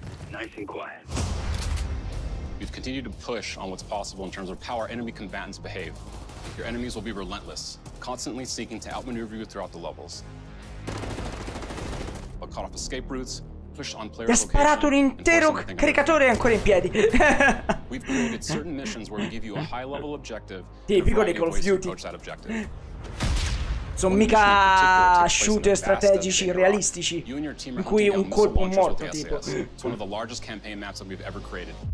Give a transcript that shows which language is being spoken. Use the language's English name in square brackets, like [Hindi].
[English] Nice and quiet. We've continued to push on what's possible in terms of how our enemy combatants behave. Your enemies will be relentless, constantly seeking to outmaneuver you throughout the levels. But cut off escape routes, push on player location. [Italian] Ha sparato un intero caricatore ancora in piedi. [English] We've created certain missions where we give you a high level objective. [Italian] Tipico di Call of Duty. Sono mica shooter strategici realistici in cui un colpo è morto, tipo. [English] It's one of the largest campaign maps that we've ever created.